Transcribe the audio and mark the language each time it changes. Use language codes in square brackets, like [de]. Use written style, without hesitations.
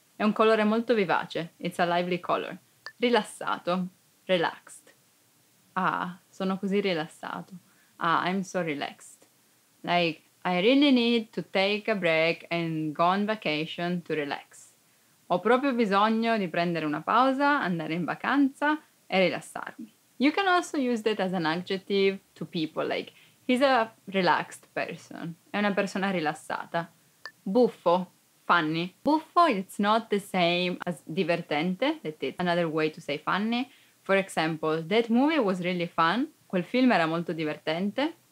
[it] È un colore molto vivace. [en] It's a lively color. [it] Rilassato, relaxed. Ah, sono così rilassato. Ah, [en] I'm so relaxed. Like, I really need to take a break and go on vacation to relax. [it] Ho proprio bisogno di prendere una pausa, andare in vacanza e rilassarmi. [en] You can also use that as an adjective to people, like, he's a relaxed person. [it] È una persona rilassata. Buffo, funny. [en] Buffo, it's not the same as divertente, that is another way to say funny. For example, that movie was really fun. [it] Quel film era molto divertente.